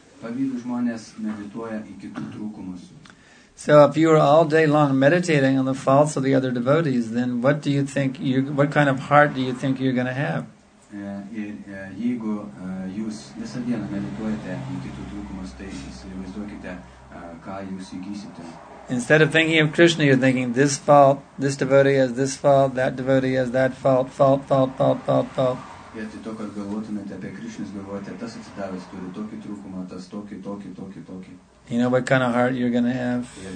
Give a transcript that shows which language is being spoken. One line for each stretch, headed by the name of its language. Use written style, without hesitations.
Lithuanian: Pavydūs žmonės medituoja į kitų trūkumus.
English: So if you are all day long meditating on the faults of the other devotees, then what do you think, what kind of heart do you think you're going to have?
Lithuanian: Jeigu jūs visą dieną medituojate į kitų trūkumus, tai įsivaizduokite, ką jūs įgysite.
English: Instead of thinking of Krishna, you're thinking this fault, this devotee has this fault, that devotee has that fault, fault, fault, fault, fault, fault.
Lithuanian: Vietoj to, kad galvotumėte apie Krishną, galvojate, tas atsidavęs turi tokį trūkumą, tas tokį, tokį, tokį, tokį.
English: You know what kind of heart you're going to have?